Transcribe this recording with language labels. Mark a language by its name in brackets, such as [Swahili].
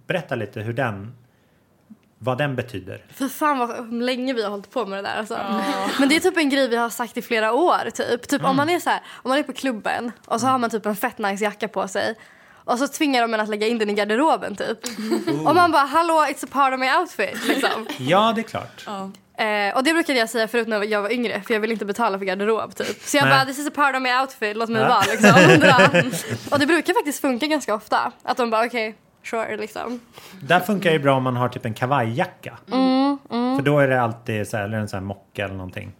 [Swedish] Berätta lite hur den, vad den betyder. För fan vad länge vi har hållit på med det där. Alltså. Oh. Men det är typ en grej vi har sagt i flera år. Typ om man är så här, om man är på klubben och så har man typ en fett nice jacka på sig. Och så tvingar de en att lägga in den i garderoben typ. Oh. Och man bara, hallå, [English] it's a part of my outfit. [Swedish] Liksom. Ja, det är klart. Oh. Och det brukade jag säga förut när jag var yngre, för jag ville inte betala för garderob typ. Så jag bara, [English] this is a part of my outfit, [Swedish] låt mig vara liksom. Och det brukar faktiskt funka ganska ofta. Att de bara, okej, [English] okay, sure [Swedish] liksom. Där funkar ju bra om man har typ en kavajjacka. För då är det alltid så här, eller en sån här mocka eller någonting.